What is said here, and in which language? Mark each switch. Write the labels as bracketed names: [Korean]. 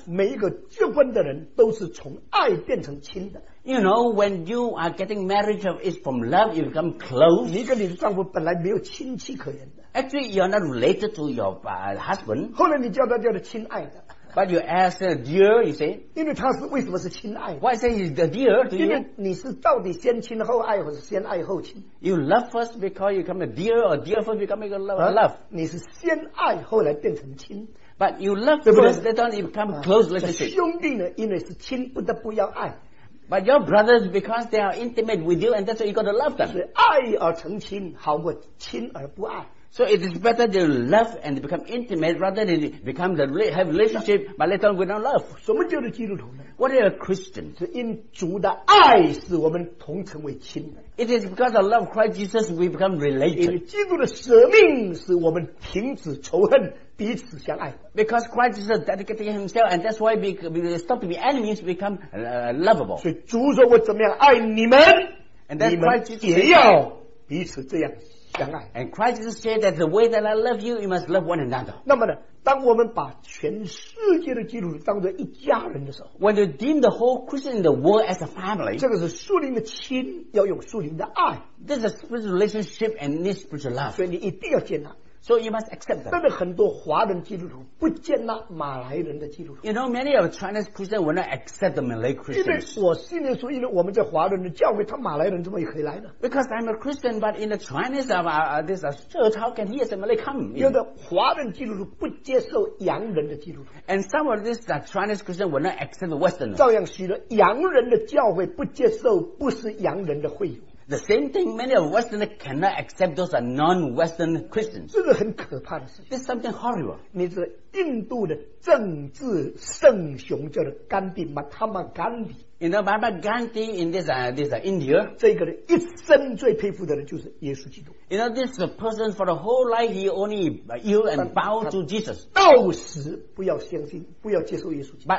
[Chinese] 每一个结婚的人都是从爱变成亲的。 [English] You know, when you are getting married, it's from love you become close. [Chinese] 你跟你的丈夫本来没有亲戚可言的。 [English] Actually, you are not related to your husband. [Chinese] 后来你叫他叫做亲爱的。 [English] But you ask a dear, you say? [Chinese] 因为他是为什么是亲爱？ [English] Why say he's the dear to you? [Chinese] 因为你是到底先亲后爱，或是先爱后亲？ [English] You love first because you become a dear, or dear first become a love. Love. [Chinese] 你是先爱，后来变成亲。 [English] But you love [Chinese] 对不对？ [English] First, that don't become close relationship. [Chinese] 兄弟呢？因为是亲，不得不要爱。 [English] But your brothers, because they are intimate with you, and that's why you got to love them. [Chinese] 是爱而成亲，好过亲而不爱。 [English] So it is better to love and become intimate rather than become the have relationship but later on without love. [Chinese] 什么叫做基督徒呢？ [English] What are a Christian? [Chinese] 是因主的爱使我们同成为亲的。 [English] It is because of love Christ Jesus we become related. [Chinese] 因为基督的舍命使我们停止仇恨，彼此相爱。 [English] Because Christ Jesus dedicated himself and that's why we stop being enemies become lovable. [Chinese] 所以主说我怎么样爱你们， [English] and then [Chinese] 你们 [English] Christ Jesus [Chinese] 也要彼此这样。 [English] And Christ said that the way that I love you, you must love one another. [Chinese] 那么呢，当我们把全世界的基督徒当作一家人的时候， [English] when you deem the whole Christian in the world as a family, [Chinese] 这个是属灵的亲，要有属灵的爱。 [English] This is spiritual relationship and this spiritual love. [Chinese] 所以你一定要接纳。 [English] So you must accept that. [Chinese] 但是很多华人基督徒不接纳马来人的基督徒。 [English] You know, many of Chinese Christians will not accept the Malay Christians. [Chinese] 因为我信耶稣，因为我们在华人的教会，他马来人怎么也可以来呢？ [English] Because I'm a Christian, but in the Chinese of this church, how can he as a Malay come? [Chinese] 有的华人基督徒不接受洋人的基督徒。 [English] And some of these Chinese Christians will not accept the Westerners. [Chinese] 照样许多洋人的教会不接受不是洋人的会友。 [English] The same thing, many of Westerners cannot accept those are non-Western Christians. [Chinese] 这个很可怕的事情。 [English] This is something horrible. [Chinese] 你知道印度的政治圣雄叫做甘地 ，Mahatma Gandhi。 [English] You know, Mahatma Gandhi in India. [Chinese] 这个人一生最佩服的人就是耶稣基督。 [English] You know, this person for the whole life he only yield and bow to Jesus. [Chinese] 到死不要相信，不要接受耶稣基督。